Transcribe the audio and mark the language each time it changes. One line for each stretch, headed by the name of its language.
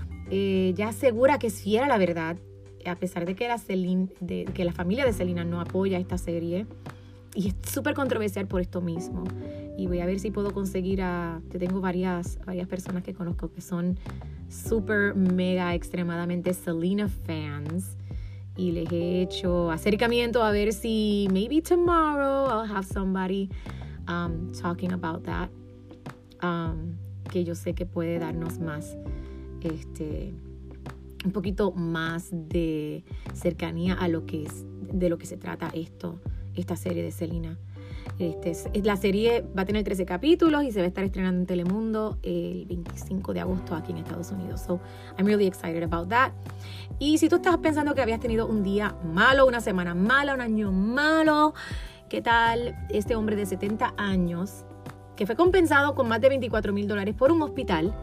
Spanish: Ya asegura que es fiel a la verdad, a pesar de que la familia de Selena no apoya esta serie. Y es súper controversial por esto mismo. Y voy a ver si puedo conseguir Yo tengo varias personas que conozco que son súper, mega, extremadamente Selena fans. Y les he hecho acercamiento a ver si
English: maybe tomorrow I'll have somebody talking about that.
Spanish: Que yo sé que puede darnos más, un poquito más de cercanía a lo que es, de lo que se trata esta serie de Selena. La serie va a tener 13 capítulos y se va a estar estrenando en Telemundo el 25 de agosto aquí en Estados Unidos.
English: So, I'm really excited about that.
Spanish: Y si tú estás pensando que habías tenido un día malo, una semana mala, un año malo, ¿qué tal este hombre de 70 años que fue compensado con más de $24,000 por un hospital?